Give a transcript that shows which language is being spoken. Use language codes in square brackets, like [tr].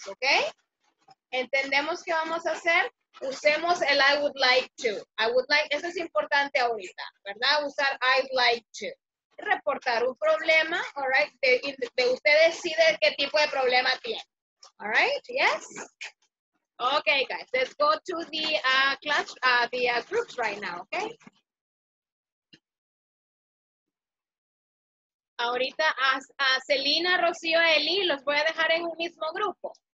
[es] ¿Ok? ¿Entendemos qué vamos a hacer? Usemos el [en] I would like to. I would like, [es] eso es importante ahorita, ¿verdad? Usar [en] I'd like to. [es] Reportar un problema, [en] all right? [es] De usted decide qué tipo de problema tiene. [en] All right? Yes? Okay, guys. Let's go to the groups right now, okay? [es] Ahorita a Celina, Rocío, Eli, los voy a dejar en un mismo grupo.